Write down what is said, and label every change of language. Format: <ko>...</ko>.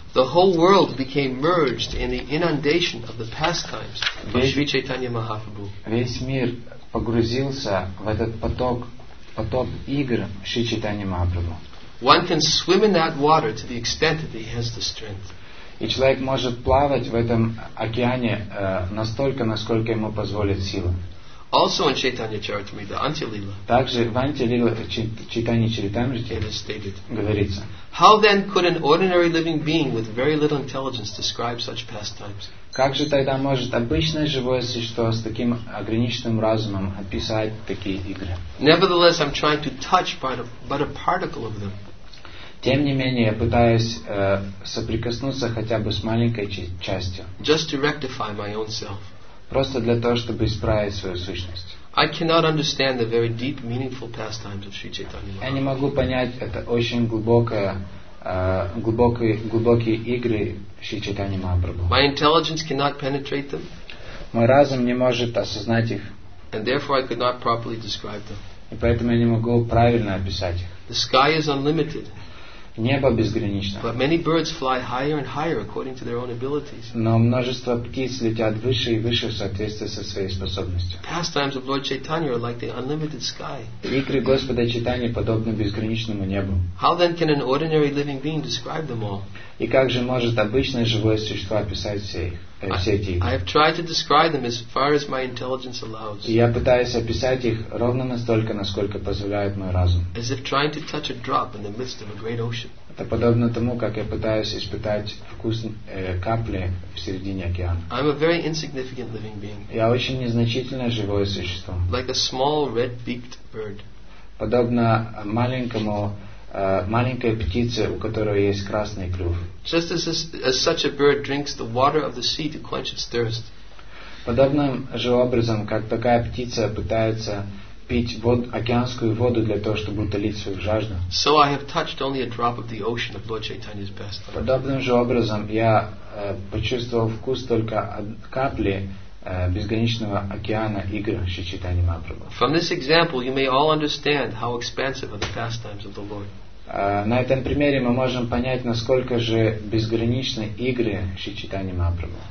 <en>the whole world became merged in the inundation of the pastimes of Sri Chaitanya Mahaprabhu.</en> <ru>Весь мир погрузился в этот поток игр Шри Чайтаньи Махапрабху.</ru> <en>One can swim in that water to the extent that he has the strength.</en> <ru>И человек может плавать в этом океане настолько, насколько ему позволит сила.</ru> <en>Also in Chaitanya Charitamrita, Antilila.</en> <ru>Также в Антилиле, Чайтанья Чаритамрите, говорится.</ru> <en>How then could an ordinary living being with very little intelligence describe such pastimes?</en> <ru>Как же тогда может обычное живое существо с таким ограниченным разумом описать такие игры?</ru> <en>Nevertheless, I'm trying to touch but a particle of them.</en> <ru>Тем не менее, я пытаюсь соприкоснуться хотя бы с маленькой частью.</ru> <en>Just to rectify my own self.</en> <ru>Просто для того, чтобы исправить свою сущность.</ru> <en>I cannot understand the very deep, meaningful pastimes of Sri Chaitanya Mahaprabhu.</en> <ru>Я не могу понять это очень глубокие игры Шри Чайтаньи Махапрабху.</ru> <en>My intelligence cannot penetrate them.</en> <ru>Мой разум не может осознать их.</ru> <en>And therefore I could not properly describe them.</en> <ru>И поэтому я не могу правильно описать их.</ru> <en>The sky is unlimited.</en> <ru>Небо безгранично.</ru> <en>But many birds fly higher and higher according to their own abilities.</en> <ru>Но множество птиц летят выше и выше в соответствии со своей способностью.</ru> <en>Pastimes of Lord Chaitanya are like the unlimited sky.</en> <ru>Игры Господа Чайтаньи подобны безграничному небу.</ru> <en>How then can an ordinary living being describe them all?</en> <ru>И как же может обычное живое существо описать все эти игры?</ru> <en>I have tried to describe them as far as my intelligence allows.</en> <ru>И я пытаюсь описать их ровно настолько, насколько позволяет мой разум.</ru> <en>As if trying to touch a drop in the midst of a great ocean.</en> <ru>Это подобно тому, как я пытаюсь испытать вкус капли в середине океана.</ru> <en>I'm a very insignificant living being.</en> <ru>Я очень незначительное живое существо.</ru> <en>Like a small red-beaked bird.</en> <ru>Подобно маленькому маленькая птица, у которой есть красный клюв.</ru> <en>Just as such a bird drinks the water of the sea to quench its thirst.</en> <ru>Подобным же образом, как такая птица пытается пить океанскую воду для того, чтобы утолить свою жажду.</ru> <en>So I have touched only a drop of the ocean of Lord Chaitanya's best.</en> <ru>Подобным же образом я почувствовал вкус только капли безграничного океана игр Шри Чайтаньи Махапрабху.</ru> <en>From this example, you may all understand how expansive are the pastimes of the Lord.</en> <ru>На этом примере мы можем понять, насколько же безграничны игры Шри Чайтаньи Махапрабху.</ru>